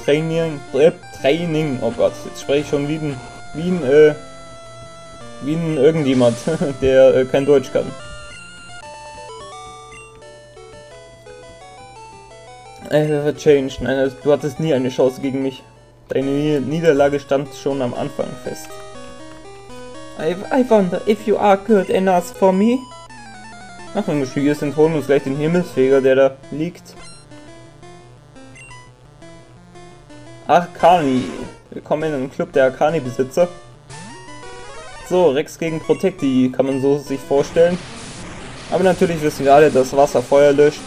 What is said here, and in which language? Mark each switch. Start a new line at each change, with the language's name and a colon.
German: Training. Oh Gott, jetzt spreche ich schon wie ein. Wie ein irgendjemand, der kein Deutsch kann. Change. Nein, du hattest nie eine Chance gegen mich. Deine Niederlage stand schon am Anfang fest.
English: I wonder if you are good enough for me.
German: Ach, wenn wir Schüler sind, holen wir uns gleich den Himmelsfeger, der da liegt. Arcani. Willkommen in einem Club der Arcani-Besitzer. So, Rex gegen Protecti, kann man so sich vorstellen. Aber natürlich wissen wir alle, dass Wasser Feuer löscht.